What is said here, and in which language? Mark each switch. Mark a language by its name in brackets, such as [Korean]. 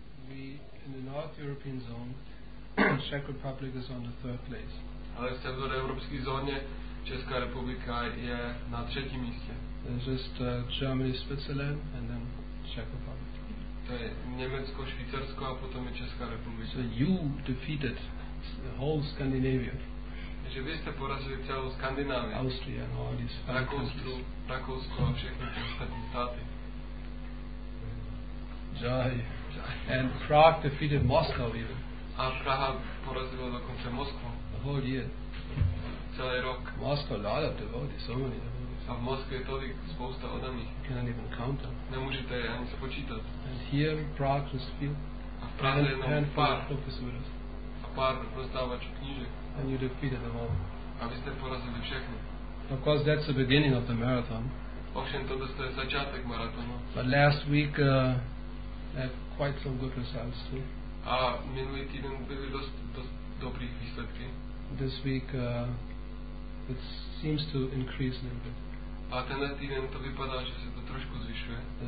[English] We in the North European zone, Czech Republic is on the third place. [Czech] Ale v severní evropské zóně Česká republika je na třetím místě. [English] There's just Germany, Switzerland, and then Czech Republic. [Czech] To je Německo, Švýcarsko a potom je Česká republika. [English] So you defeated the whole Scandinavia. [Czech] Takže vy jste porazili celou Skandinávii. [English] Austria and all these five countries. [Czech] Rakousko a všechny ty ostatní státy. [English] Jai. And Prague defeated Moscow even. [Czech] A Praha porazila dokonce Moskvu. [English] The whole year. [Czech] Celý rok. [English] Moscow, a lot of devotees, so many. [Czech] A v Moskvě je tolik spousta odaných. [English] You can't even count them. [Czech] Nemůžete je ani spočítat. [English] And here in Prague just feel. [Czech] A v Praze jenom pár. Profesorus. A pár rozdávačů knížek. [English] And you defeated them all. [Czech] A vy jste porazili všechny. [English] Of course that's the beginning of the marathon. [Czech] Ovšem to je začátek maratonu. [English] But last week they had quite some good results too. [Czech] A minulý týden byly dost dobrých výsledky. [English] This week it seems to increase a little bit. [Czech] A tenhle týden to vypadá, že se to trošku zvyšuje.